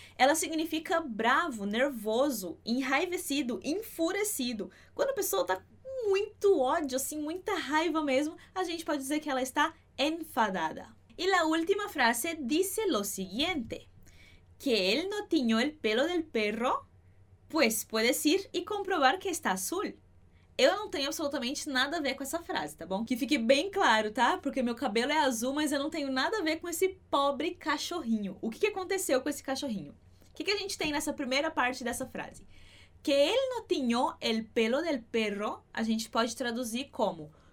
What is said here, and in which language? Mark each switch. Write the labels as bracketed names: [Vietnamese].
[Portuguese] Ela significa bravo, nervoso, enraivecido, enfurecido. Quando a pessoa tá com muito ódio, assim, muita raiva mesmo, a gente pode dizer que ela está enfadada. E a última frase diz o seguinte. Que ele não tinha o pelo do perro. [Spanish] Pues, puedes ir y comprobar que está azul. [Portuguese] Eu não tenho absolutamente nada a ver com essa frase, tá bom? Que fique bem claro, tá? Porque meu cabelo é azul, mas eu não tenho nada a ver com esse pobre cachorrinho. O que aconteceu com esse cachorrinho? O que a gente tem nessa primeira parte dessa frase? [Spanish] Que él no tiñó el pelo del perro, [Portuguese] a gente pode traduzir como